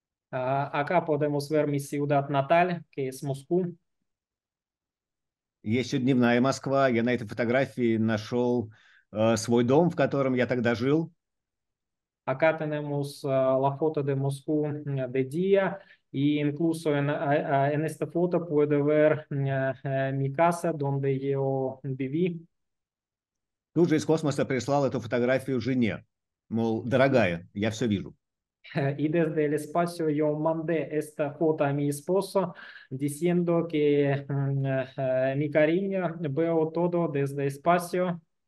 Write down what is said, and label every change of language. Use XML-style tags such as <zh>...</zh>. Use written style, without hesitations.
<es>Acá podemos ver mi ciudad natal, que es Moscú.</es> <ru>Есть еще дневная Москва. Я на этой фотографии нашел свой дом, в котором я тогда жил.</ru> <es>Acá tenemos la foto de Moscú de día y incluso en esta foto puede ver mi casa donde yo viví.</es> <ru>Тут же из космоса прислал эту фотографию жене, мол, дорогая, я все вижу.</ru> <es>Y desde el espacio yo mandé esta foto a mi esposo diciendo que mi cariño, veo todo desde el espacio.</es>